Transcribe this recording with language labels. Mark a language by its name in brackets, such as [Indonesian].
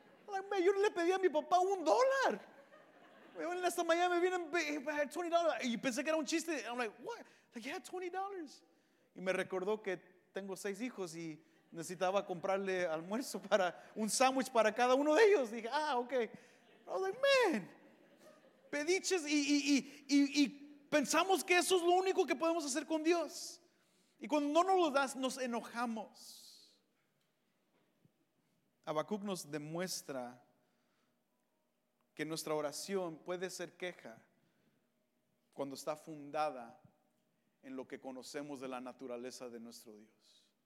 [English] Like, [Spanish] yo no le pedí a mi papá $1. En esta mañana me vienen $20. Y pensé que era un chiste. [English] I'm like, what? Like, yeah, [Spanish] $20. Y me recordó que tengo 6 hijos y necesitaba comprarle almuerzo para un sándwich para cada uno de ellos. Dije, ah, okay. [English] I was like, man. [Spanish] Pediches y pensamos que eso es lo único que podemos hacer con Dios. Y cuando no nos lo das, nos enojamos. Habacuc nos demuestra que nuestra oración puede ser queja cuando está fundada en lo que conocemos de la naturaleza de nuestro Dios.